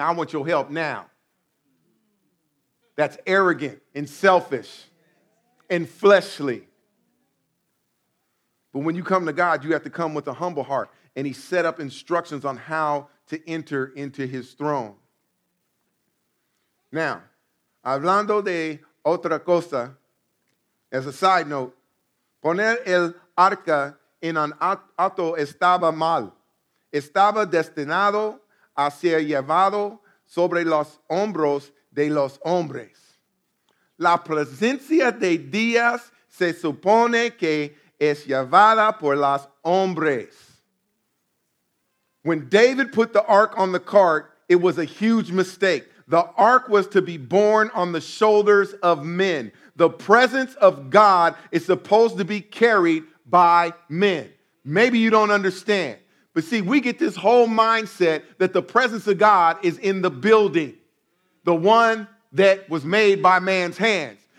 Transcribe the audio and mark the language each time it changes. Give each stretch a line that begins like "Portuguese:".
English: I want your help now. That's arrogant and selfish and fleshly. But when you come to God, you have to come with a humble heart. And he set up instructions on how to enter into his throne.
Spanish: Now, hablando de otra cosa,
English: as a side note,
Spanish: poner el arca en un auto estaba mal. Estaba destinado a ser llevado sobre los hombros de los hombres. La presencia de Dios se supone que es llevada por los hombres.
English: When David put the ark on the cart, it was a huge mistake. The ark was to be borne on the shoulders of men. The presence of God is supposed to be carried by men. Maybe you don't understand. But see, we get this whole mindset that the presence of God is in the building, the one that was made by man's hands.